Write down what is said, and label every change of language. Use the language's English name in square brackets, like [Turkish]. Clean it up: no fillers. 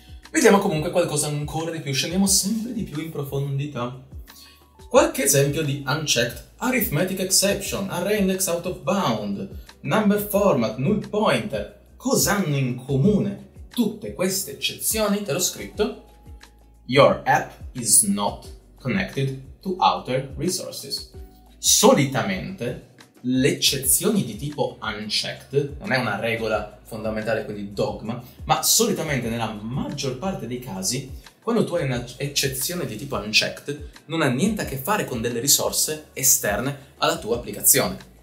[Italian] Vediamo comunque qualcosa ancora di più, scendiamo sempre di più in profondità. Qualche esempio di unchecked: arithmetic exception, array index out of bound, number format, null pointer. Cosa hanno in comune tutte queste eccezioni? Te l'ho scritto: [English] your app is not connected to outer resources. [Italian] Solitamente le eccezioni di tipo unchecked, non è una regola fondamentale, quindi dogma, ma solitamente nella maggior parte dei casi, quando tu hai un'eccezione di tipo unchecked, non ha niente a che fare con delle risorse esterne alla tua applicazione.